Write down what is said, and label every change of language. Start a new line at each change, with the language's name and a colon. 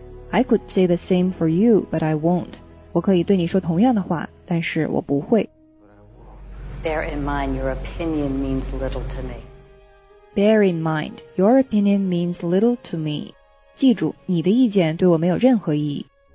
English: I could say the same for you, but I won't.
Chinese: 我可以对你说同样的话，但是我不会。
English: Bear in mind, your opinion means little to me. Bear in mind, your opinion means little to me.
Chinese: 记住，你的意见对我没有任何意义。